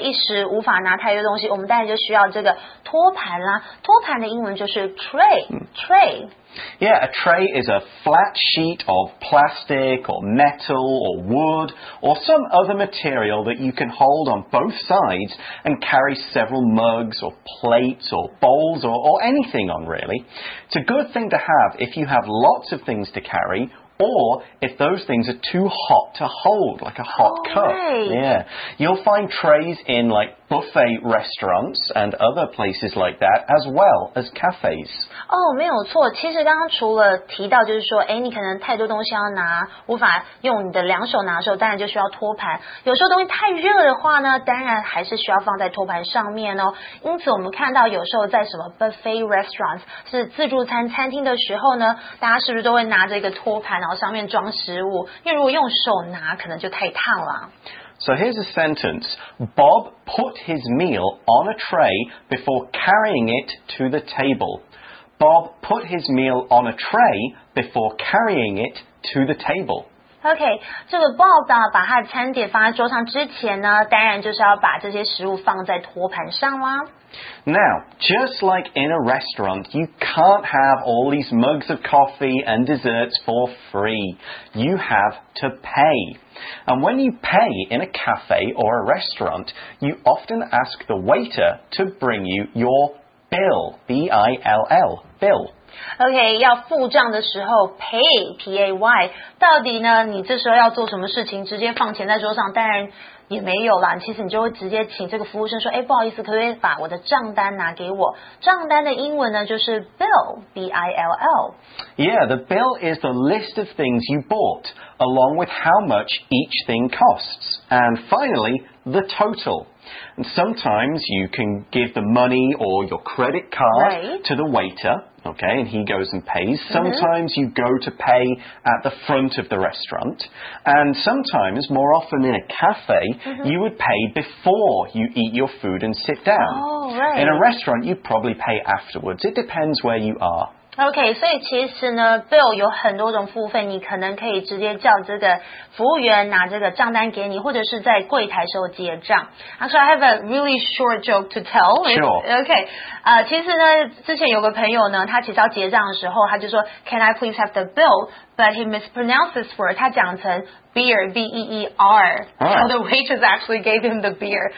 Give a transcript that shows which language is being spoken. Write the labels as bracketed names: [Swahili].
[Chinese] 一时无法拿太多东西，我们当然就需要这个托盘啦。托盘的英文就是 tray。 [English] Yeah, a tray is a flat sheet of plastic or metal or wood or some other material that you can hold on both sides and carry several mugs or plates or bowls or anything on, really. It's a good thing to have if you have lots of things to carry or if those things are too hot to hold, like a hot cup. Right. Yeah. You'll find trays in like buffet restaurants and other places like that as well as cafes. [Chinese] Oh, 没有错。其实刚刚除了提到就是说，你可能太多东西要拿，无法用你的两手拿的时候，当然就需要托盘。有时候东西太热的话呢，当然还是需要放在托盘上面哦。因此我们看到有时候在什么 buffet restaurants 是自助餐餐厅的时候呢，大家是不是都会拿着一个托盘，然后上面装食物？因为如果用手拿，可能就太烫了。 [English] So here's a sentence. Bob put his meal on a tray before carrying it to the table. Bob put his meal on a tray before carrying it to the table. [Chinese] Okay, 这个 Bob 把他的餐点放在桌上之前呢，当然就是要把这些食物放在托盘上啦。 [English] Now, just like in a restaurant, you can't have all these mugs of coffee and desserts for free. You have to pay. And when you pay in a cafe or a restaurant, you often ask the waiter to bring you your bill, B-I-L-L, bill. [Chinese] OK, 要付账的时候 pay, P-A-Y, 到底呢你这时候要做什么事情，直接放钱在桌上当然也没有啦，其实你就会直接请这个服务生说，不好意思，可不可以把我的账单拿给我。账单的英文呢就是 bill, B-I-L-L. [English] Yeah, the bill is the list of things you bought, along with how much each thing costs. And finally, the total. And sometimes you can give the money or your credit card、 right. to the waiter, okay, and he goes and pays. Sometimes、mm-hmm. you go to pay at the front of the restaurant. And sometimes, more often in a cafe,、mm-hmm. you would pay before you eat your food and sit down. Oh, right. In a restaurant, you'd probably pay afterwards. It depends where you are. [Chinese] OK, 所以其实呢 ,bill 有很多种付费，你可能可以直接叫这个服务员拿这个账单给你，或者是在柜台时候结账。 [English] So I have a really short joke to tell. Sure. [Chinese] OK,、其实呢之前有个朋友呢，他其实要结账的时候他就说 , [English] can I please have the bill? But he mispronounced this word, [Chinese] 他讲成 [English] beer, B-E-E-R.、 Right. So the waitress actually gave him the beer.